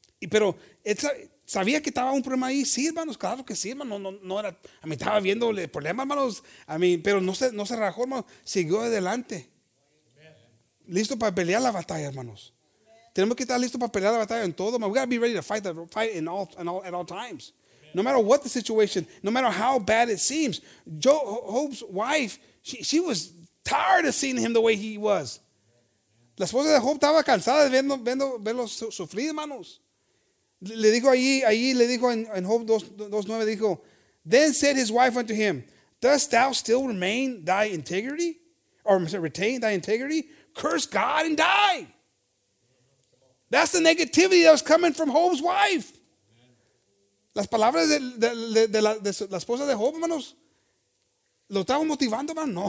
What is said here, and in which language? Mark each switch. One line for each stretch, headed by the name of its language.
Spanish: Pero sabía que estaba un problema ahí. Sí, hermanos, claro que sí, hermano. No era, a mí estaba viendo el problema, hermanos. A mí, pero no se rajó, hermano. Siguió adelante. Amen. Listo para pelear la batalla, hermanos. Amen. Tenemos que estar listos para pelear la batalla en todo.
English: We got to be ready to fight at all times. Amen. No matter what the situation, no matter how bad it seems. Job's wife, she was tired of seeing him the way he was.
Spanish: La esposa de Job estaba cansada de verlo sufrir, hermanos. Le dijo allí, le dijo en Job 2:9, dijo,
English: then said his wife unto him, dost thou still remain thy integrity? Or retain thy integrity? Curse God and die. That's the negativity that was coming from Job's wife.
Spanish: Las palabras de la esposa de Job, hermanos, lo estaban motivando, hermano.